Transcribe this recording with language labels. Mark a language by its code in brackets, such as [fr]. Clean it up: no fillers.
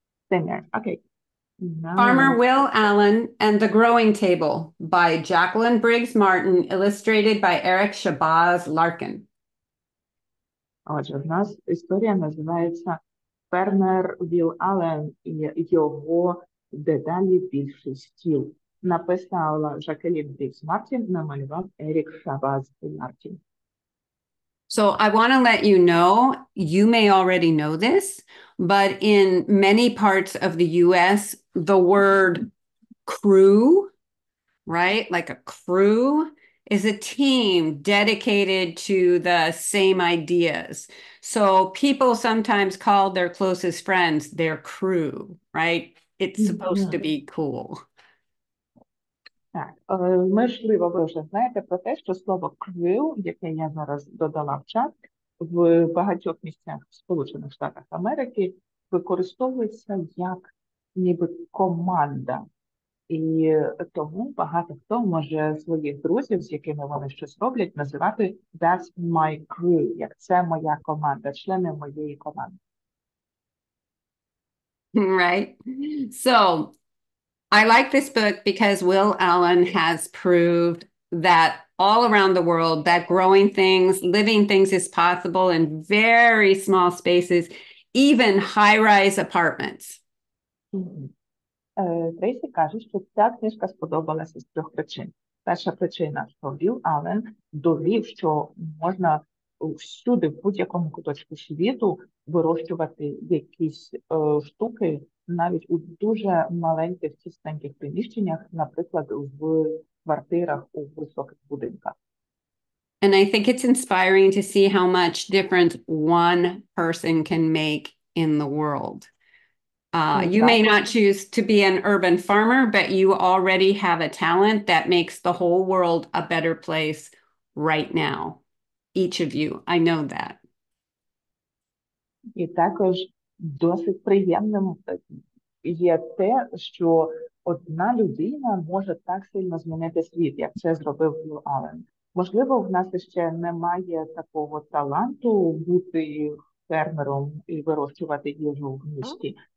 [en] Farmer Will Allen and the Growing Table by Jaqueline Briggs Martin, illustrated by Eric Shabazz Larkin. [uk] Отже, у нас історія називається Фермер Вілл Аллен і його деталі більший стіл. написала Жакелін Бріс Мартін, намалював Ерік Шабаз Мартін. [en] So I want to let you know, you may already know this, but in many parts of the US, the word crew, right? Like a crew is a team dedicated to the same ideas. So people sometimes call their closest friends their crew, right? It's supposed to be cool. [uk] Так, можливо, ви вже знаєте про те, що слово crew, яке я зараз додала в чат, в багатьох місцях в Сполучених Штатах Америки використовується як ніби команда. І тому багато хто може своїх друзів, з якими вони щось роблять, називати [en] that's my crew, [uk] як це моя команда, члени моєї команди. [en] Right. So I like this book because Will Allen has proved that all around the world, that growing things, living things is possible in very small spaces, even high-rise apartments. [uk] Тресі каже, що ця книжка сподобалася з трьох причин. Перша причина, що Вілл Аллен довів, що можна всюди, в будь-якому куточку світу, вирощувати якісь штуки, навіть у дуже маленьких, чистеньких приміщеннях, наприклад, в квартирах у високих будинках. [en] And I think it's inspiring to see how much difference one person can make in the world. You may not choose to be an urban farmer, but you already have a talent that makes the whole world a better place right now. Each of you, I know that. [uk] І також досить приємним є те, що одна людина може так сильно змінити світ, як це зробив Вілл Аллен. Можливо, в нас ще немає такого таланту бути фермером і вирощувати їжу в місті.